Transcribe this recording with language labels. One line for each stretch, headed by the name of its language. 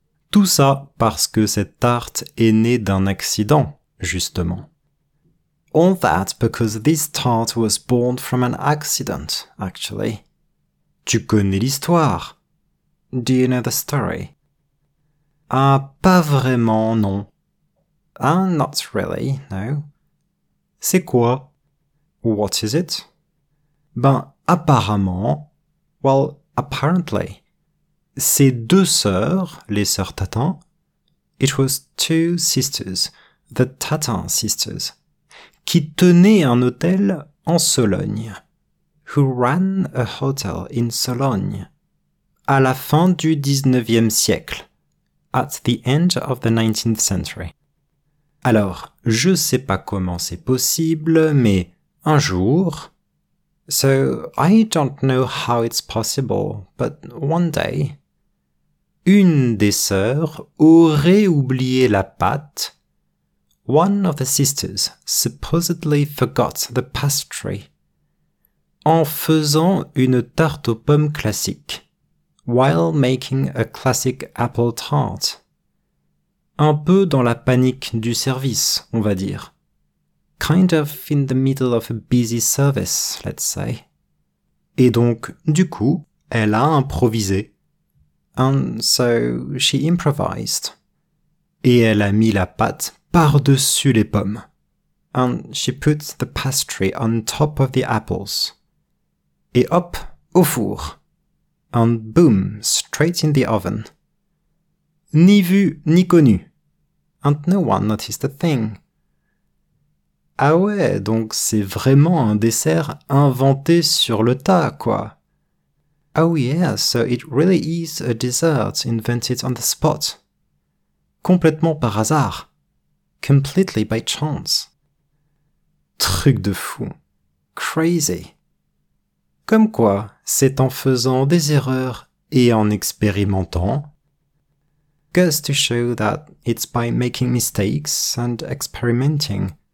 French: Tout ça parce que cette tarte est née d'un accident, justement.
English: All that because this tart was born from an accident, actually.
French: Tu connais l'histoire.
English: Do you know the story?
French: Ah, pas vraiment, non.
English: Ah, not really, no.
French: C'est quoi?
English: What is it?
French: Ben, apparemment,
English: well, apparently,
French: c'est 2 sœurs, les sœurs Tatin.
English: It was 2 sisters, the Tatin sisters,
French: qui tenaient un hôtel en Sologne.
English: Who ran a hotel in Sologne.
French: À la fin du 19e siècle.
English: At the end of the 19th century.
French: Alors, je sais pas comment c'est possible, mais un jour...
English: So, I don't know how it's possible, but one day...
French: Une des sœurs aurait oublié la pâte.
English: One of the sisters supposedly forgot the pastry.
French: En faisant une tarte aux pommes classique,
English: while making a classic apple tart.
French: Un peu dans la panique du service, on va dire.
English: Kind of in the middle of a busy service, let's say.
French: Et donc, du coup, elle a improvisé.
English: And so she improvised.
French: Et elle a mis la pâte par-dessus les pommes.
English: And she put the pastry on top of the apples.
French: Et hop, au four.
English: And boom, straight in the oven.
French: Ni vu, ni connu.
English: And no one noticed a thing.
French: Ah ouais, donc c'est vraiment un dessert inventé sur le tas, quoi.
English: Oh yeah, so it really is a dessert invented on the spot.
French: Complètement par hasard.
English: Completely by chance.
French: Truc de fou.
English: Crazy.
French: Comme quoi, c'est en faisant des erreurs et en expérimentant.
English: Goes to show that it's by making mistakes and experimenting.